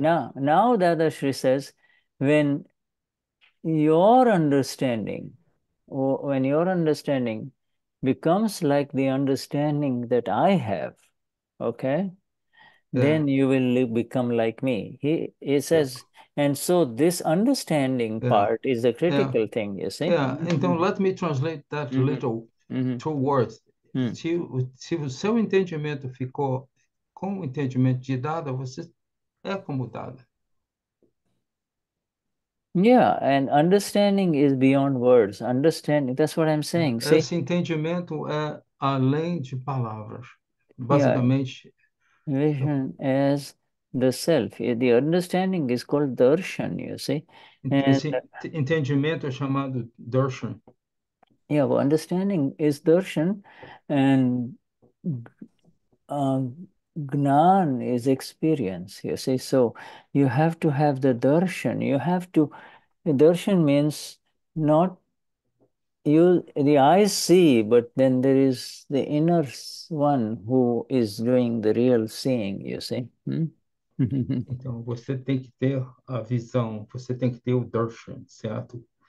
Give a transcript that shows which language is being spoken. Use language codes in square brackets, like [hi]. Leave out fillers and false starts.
[en] Now Dadashri says, when your understanding becomes like the understanding that I have, okay, then you will become like me. He says, and so this understanding part is the critical thing, you see. Então, let me translate that little towards. [pt] Se o seu entendimento ficou com o entendimento de Dada, você é como Dada. [en] Yeah, and understanding is beyond words. Understanding, that's what I'm saying. See? [pt] Esse entendimento é além de palavras. [en] Yeah. [pt] Basicamente, [en] Vision as the self. The understanding is called darshan, you see. And [pt] esse entendimento é chamado darshan. [en] yeah, well, understanding is darshan, and gnan is experience, you see. So you have to have the darshan. You have to. Darshan means not you, the eyes see, but then there is the inner one who is doing the real seeing, you see. [pt] Então, você tem que ter a visão, você tem que ter o darshan, certo?